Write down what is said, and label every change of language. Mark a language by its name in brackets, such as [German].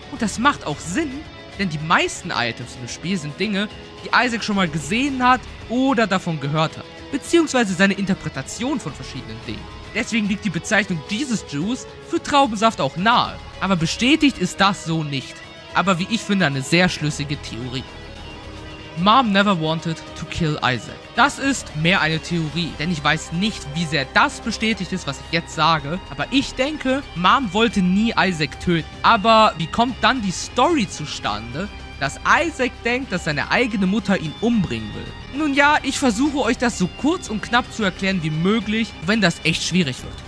[German] Und das macht auch Sinn, denn die meisten Items im Spiel sind Dinge, die Isaac schon mal gesehen hat oder davon gehört hat, beziehungsweise seine Interpretation von verschiedenen Dingen. Deswegen liegt die Bezeichnung Jesus Juice für Traubensaft auch nahe, aber bestätigt ist das so nicht. Aber wie ich finde, eine sehr schlüssige Theorie. [English] Mom never wanted to kill Isaac. [German] Das ist mehr eine Theorie, denn ich weiß nicht, wie sehr das bestätigt ist, was ich jetzt sage, aber ich denke, Mom wollte nie Isaac töten. Aber wie kommt dann die Story zustande, dass Isaac denkt, dass seine eigene Mutter ihn umbringen will? Nun ja, ich versuche euch das so kurz und knapp zu erklären wie möglich, wenn das echt schwierig wird.